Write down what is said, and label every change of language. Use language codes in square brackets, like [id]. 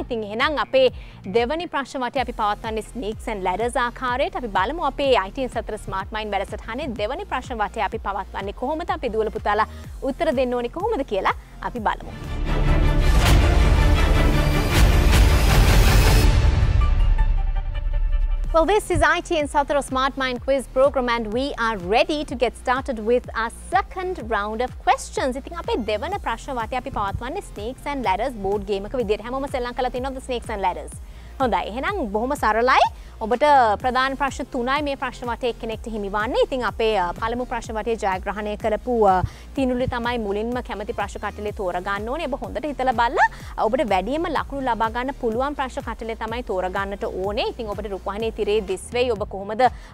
[si] ඉතින් එහෙනම් අපේ දෙවැනි ප්‍රශ්න වටේ අපි පවත්වන්නේ ස්නීක්ස් ඇන්ඩ් ලැඩර්ස් ආකාරයට. අපි බලමු අපේ ITN සතර ස්මාර්ට් මයින්ඩ් වැඩසටහනේ දෙවැනි ප්‍රශ්න වටේ අපි පවත්වන්නේ කොහොමද, අපේ දුවල පුතාලා උත්තර දෙන්න ඕනේ කොහොමද කියලා අපි බලමු. [en] Well, this is ITN Satra Smart Mind Quiz Program and we are ready to get started with our second round of questions. [si] ඉතින් අපේ දෙවන ප්‍රශ්න වාටි අපි පවත්වන්නේ snakes and ladders board game එක විදිහට. හැමෝම සෙල්ලම් කරලා තියෙනවද snakes and ladders? හොඳයි එහෙනම් බොහොම සරලයි ඔබට ප්‍රධාන ප්‍රශ්න තුනයි මේ ප්‍රශ්න වටේ කනෙක්ට් හිමිවන්නේ ඉතින් අපේ පළමු ප්‍රශ්න වටේ ජයග්‍රහණය කරපු තිනුලි තමයි මුලින්ම කැමැති ප්‍රශ්න කටලේ තෝරගන්න ඕනේ ඔබ හොඳට හිතලා බලලා ඔබට වැඩිම ලකුණු ලබා ගන්න පුළුවන් ප්‍රශ්න කටලේ තමයි තෝරගන්නට ඕනේ ඉතින් ඔබට රූපවාහිනියේ තිරේ දිස් වෙයි ඔබ කොහොමද